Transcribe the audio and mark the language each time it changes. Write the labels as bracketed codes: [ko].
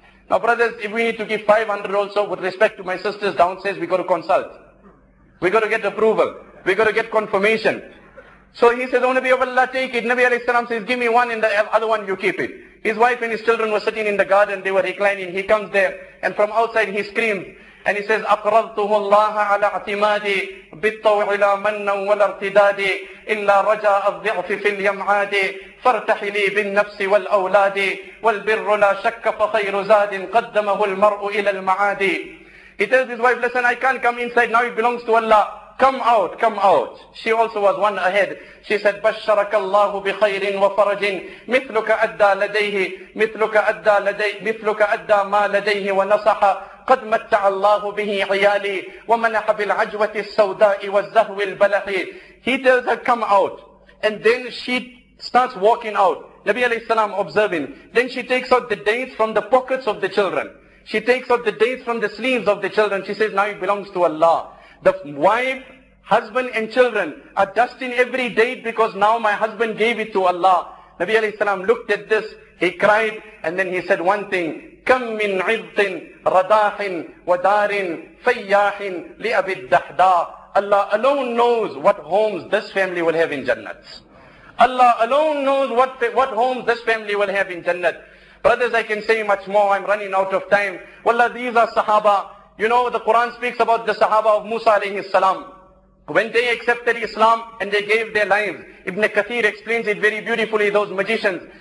[en] Now, brothers, if we need to give 500 also, with respect to my sisters downstairs, we got to consult. We got to get approval. We got to get confirmation. So he says, O Nabi of Allah, take it. Nabi alayhi salam says, give me one and the other one you keep it. His wife and his children were sitting in the garden. They were reclining. He comes there and from outside he screams. And he says, [ar] أقرضته الله على اعتمادي بالطوع لا منا ولا ارتداد إلا رجاء الضعف في اليمعاد فارتح لي بالنفس والأولاد والبر لا شك فخير زاد قدمه المرء إلى المعاد. [en] He tells his wife, listen, I can't come inside now, it belongs to Allah. Come out, come out. She also was one ahead. She said, [ar] بشرك الله بخير وفرج مثلك أدى لديه مثلك أدى لديه مثلك أدى ما لديه ونصح قد متع الله به عيالي ومنح بالعجوة السوداء والزهو البلحي. [en] He tells her, come out. And then she starts walking out. Nabi alayhi salam observing. Then she takes out the dates from the pockets of the children. She takes out the dates from the sleeves of the children. She says, now it belongs to Allah. The wife, husband and children are dusting every date because now my husband gave it to Allah. Nabi alayhi salam looked at this. He cried and then he said one thing. [ar] كم من عذق رداح ودار فياح لأبي الدحداء. [en] Allah alone knows what homes this family will have in Jannat. Allah alone knows what homes this family will have in Jannat. Brothers, I can say much more. I'm running out of time. Wallah, these are Sahaba. You know, the Quran speaks about the Sahaba of Musa alayhi salam. When they accepted Islam and they gave their lives, Ibn Kathir explains it very beautifully, those magicians.